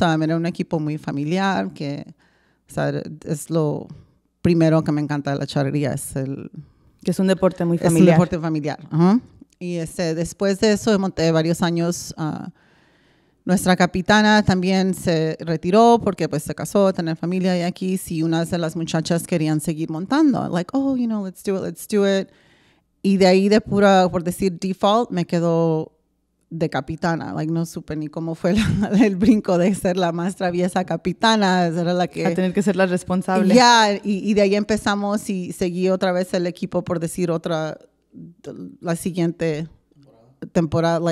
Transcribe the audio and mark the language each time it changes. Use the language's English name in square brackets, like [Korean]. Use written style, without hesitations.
[Spanish] Era un equipo muy familiar que, o sea, es lo primero que me encanta de la charrería. Es el... Que es un deporte muy familiar. Es un deporte familiar. Uh-huh. Y este, después de eso, monté varios años. Nuestra capitana también se retiró porque, pues, se casó, tener familia y aquí. Si unas de las muchachas querían seguir montando. [English] Like, oh, you know, let's do it, let's do it. [Spanish] Y de ahí, de pura, por decir default, me quedo de capitana. Like, no supe ni cómo fue el brinco de ser la más traviesa capitana. Era la que... A tener que ser la responsable. Ya, y de ahí empezamos y seguí otra vez el equipo, por decir otra, la siguiente temporada.